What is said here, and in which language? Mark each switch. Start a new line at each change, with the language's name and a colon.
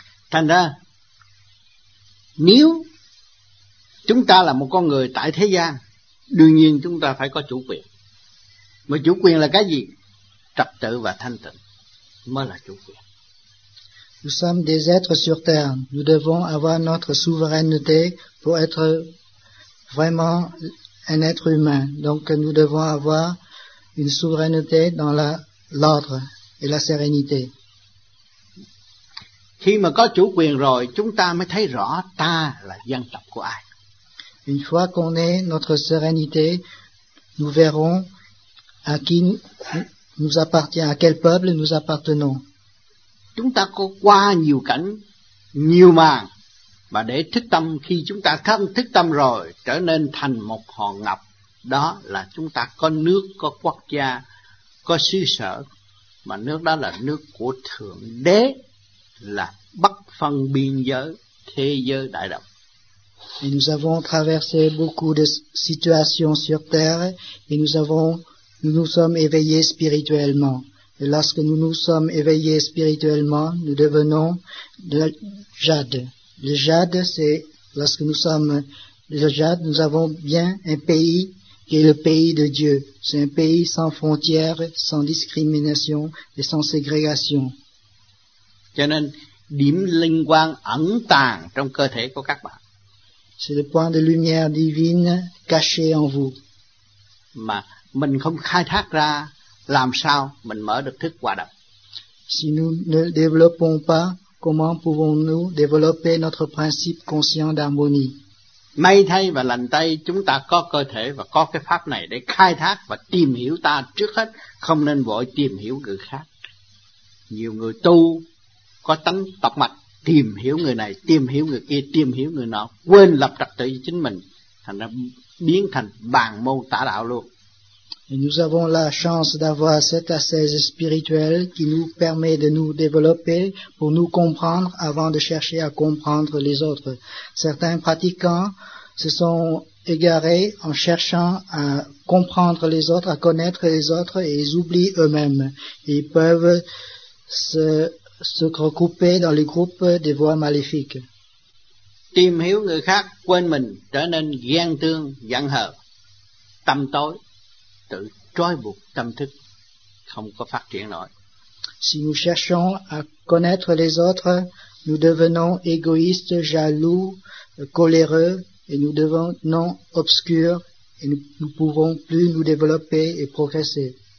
Vietnamese: Thành ra, nếu chúng ta là một con người tại thế gian, đương nhiên chúng ta phải có chủ quyền. Mà chủ quyền là cái gì? Trật tự và thanh tịnh mới là chủ quyền.
French: Nous sommes des êtres sur terre. Nous devons avoir notre souveraineté pour être vraiment un être humain. Donc nous devons avoir une souveraineté dans l'ordre et la sérénité.
Vietnamese: Khi mà có chủ quyền rồi, chúng ta mới thấy rõ ta là dân tộc của ai.
French: Une fois qu'on ait notre sérénité, nous verrons à qui nous appartient, à quel peuple nous appartenons.
Vietnamese: Chúng ta có qua nhiều cảnh, nhiều màn, Và để thức tâm, khi chúng ta không thức tâm rồi, trở nên thành một hòn ngọc. Đó là chúng ta có nước, có quốc gia, có xứ sở. Mà nước đó là nước của Thượng Đế, là bất phân biên giới, thế giới đại đồng.
French: Et nous avons traversé beaucoup de situations sur terre et nous sommes éveillés spirituellement. Et lorsque nous nous sommes éveillés spirituellement, nous devenons de jade. Le jade, c'est lorsque nous sommes le jade, nous avons bien un pays qui est le pays de Dieu. C'est un pays sans frontières, sans discrimination et sans ségrégation.
Vietnamese: Cho nên điểm linh quang ẩn tàng trong cơ thể của các bạn.
French: C'est le point de lumière divine caché en vous.
Vietnamese: Mà mình không khai thác ra, làm sao mình mở được thức quả đạo?
French: Si nous ne développons pas, comment pouvons-nous développer notre principe conscient d'harmonie?
Vietnamese: May thay và lành thay, chúng ta có cơ thể và có cái pháp này để khai thác và tìm hiểu ta trước hết, không nên vội tìm hiểu người khác. Nhiều người tu có tánh tọc mạch, tìm hiểu người này, tìm hiểu người kia, tìm hiểu người nọ, quên lập trật tự cho chính mình, thành ra biến thành bàn môn tả đạo luôn.
French: Et nous avons la chance d'avoir cette assise spirituelle qui nous permet de nous développer pour nous comprendre avant de chercher à comprendre les autres. Certains pratiquants se sont égarés en cherchant à comprendre les autres, à connaître les autres, et ils oublient eux-mêmes. Ils peuvent se recouper dans les groupes des voies maléfiques.
Vietnamese: Tìm hiểu người khác, quên mình, trở nên ghen tương, giận hờn, tâm tối, tự trói buộc tâm thức, không có phát triển nổi.
French: Si nous cherchons à connaître les autres, nous devenons égoïstes, jaloux, coléreux, et nous devenons obscurs, et nous ne pouvons plus nous développer et progresser.